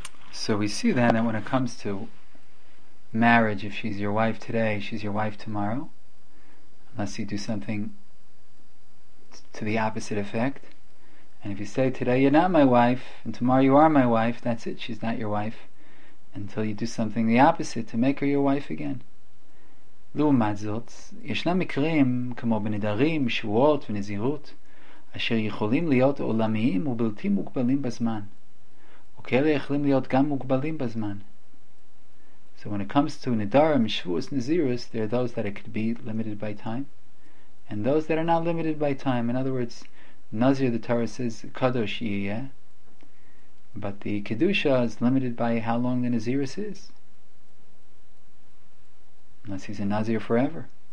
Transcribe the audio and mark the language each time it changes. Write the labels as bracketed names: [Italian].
[English] So, So we see then that when it comes to marriage, if she's your wife today, she's your wife tomorrow, unless you do something to the opposite effect. And if you say, today you're not my wife, and tomorrow you are my wife, that's it, she's not your wife, until you do something the opposite to make her your wife again. [Hebrew] לעומת זאת, ישנם מקרים כמו בנדרים, שבועות ונזירות, אשר יכולים להיות עולמיים ובלתי מוגבלים בזמן. וכאלה יכולים להיות גם מוגבלים בזמן. [English] So when it comes to nedarim, shvuos, nezirus, there are those that it could be limited by time, and those that are not limited by time. In other words, nazir, the Torah says, kadosh yiye, but the kedusha is limited by how long the nezirus is, unless he's a nazir forever.